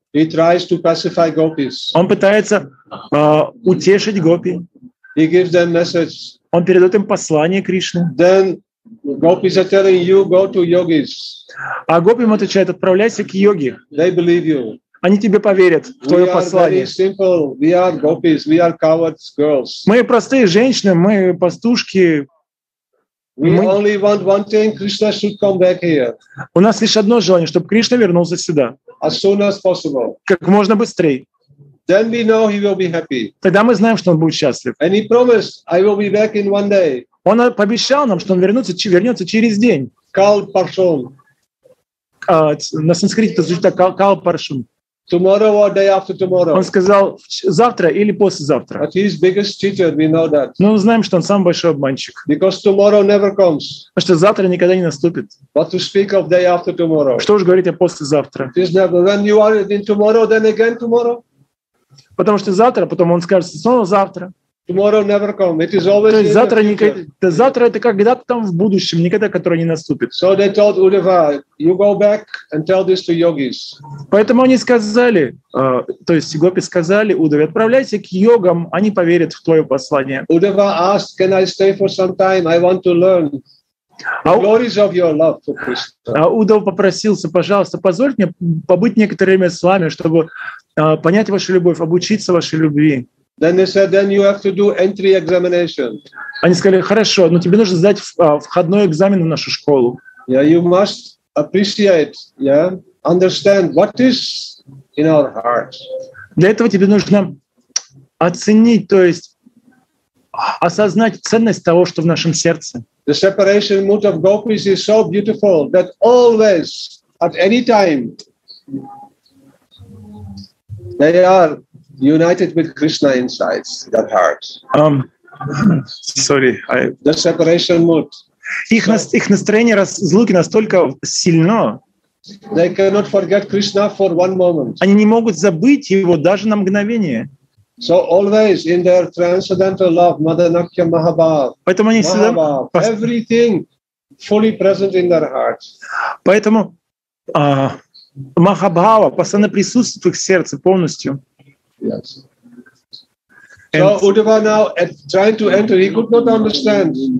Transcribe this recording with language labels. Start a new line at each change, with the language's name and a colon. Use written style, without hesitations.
English: He tries to pacify gopis.
Russian: Он пытается утешить гопи.
English: He gives them message.
Russian: Он передает им послание Кришны.
English: Then gopis are telling you go to yogis.
Russian: А гопи ему отвечает: отправляйся к йоге.
English: They believe you.
Russian: Они тебе поверят в твое
English: we
Russian: послание.
English: Are very simple. We are gopis. We are cowards, girls.
Russian: Мы простые женщины, мы пастушки.
English: We only want one thing. Krishna should come back here.
Russian: У нас лишь одно желание, чтобы Кришна вернулся сюда.
English: As soon as possible.
Russian: Как можно быстрее.
English: Then we know he will be happy.
Russian: Тогда мы знаем, что он будет счастлив.
English: And he promised, I will be back in one day.
Russian: Он пообещал нам, что он вернется через день.
Hindi: Kal Parshum.
Russian: На санскрите это звучит так:
Hindi: Kal Parshum.
English: Tomorrow or day after tomorrow.
Russian: Он сказал: завтра или послезавтра.
English: But he's biggest cheater, we know that.
Russian: Но мы знаем, что он самый большой обманщик.
English: Because tomorrow never comes.
Russian: Потому что завтра никогда не наступит.
English: But to speak of day after tomorrow.
Russian: Что уж говорить о послезавтра?
English: It is never. When you are in tomorrow, then again tomorrow.
Russian: Потому что завтра, потом он скажет: снова завтра.
English: Tomorrow never comes. It is always.
Russian: То есть завтра никогда. Завтра это когда-то там в будущем, никогда, которое не наступит.
English: So they told Uddhava, you go back and tell this to yogis.
Russian: Поэтому они сказали, то есть гопи сказали Уддхаве: отправляйся к йогам, они поверят в твое послание.
English: Uddhava asked, can I stay for some time? I want to learn the glories of your love for Krishna.
Russian: Уддхава попросился: пожалуйста, позвольте мне побыть некоторое время с вами, чтобы понять вашу любовь, обучиться вашей любви.
English: Then they said, then you have to do entry examination.
Russian: Они сказали: хорошо, но тебе нужно сдать входной экзамен в нашу школу.
English: Yeah, you must appreciate, yeah, understand what is in our hearts.
Russian: Для этого тебе нужно оценить, то есть осознать ценность того, что в нашем сердце.
English: The separation mood of gopis is so beautiful that always, at any time, they are united with Krishna inside their hearts. Sorry, I. The separation mood.
Russian: Их настроение разлуки настолько сильно.
English: They cannot forget Krishna for one moment.
Russian: Они не могут забыть его даже на мгновение.
English: So always in their transcendental love, Madanakya Mahabhav.
Russian: Поэтому они всегда.
English: Everything fully present in their hearts.
Russian: Поэтому Махабхава постоянно присутствует в их сердце полностью.
English: Yes. So Uddhava now at trying to enter, he could not understand.